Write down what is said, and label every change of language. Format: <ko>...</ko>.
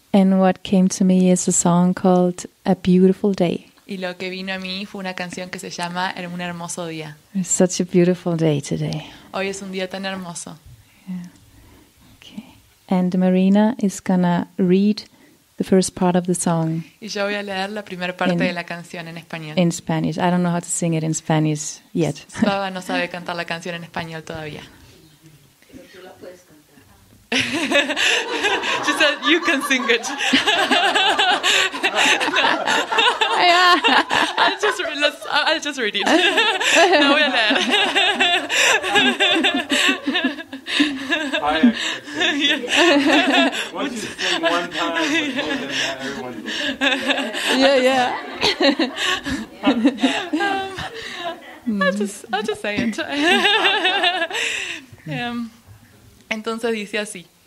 <en>And what came to me is a song called A Beautiful Day.</en> <es>Y lo que vino a mí fue una canción que se llama Un hermoso día.</es> <en>It's such a beautiful day today.</en> <es>Hoy es un día tan hermoso.</es> <en>Yeah. Okay. And Marina is gonna read the first part of the song.</en> <es>Y yo voy a leer la primera parte de la canción en español.</es> <en>In Spanish. I don't know how to sing it in Spanish yet.</en> <es>Svava no sabe cantar la canción en español todavía.</es> <en>She said, "You can sing it." Yeah. I'll just read it. No, we're there.</en> <es>Entonces dice así.</es>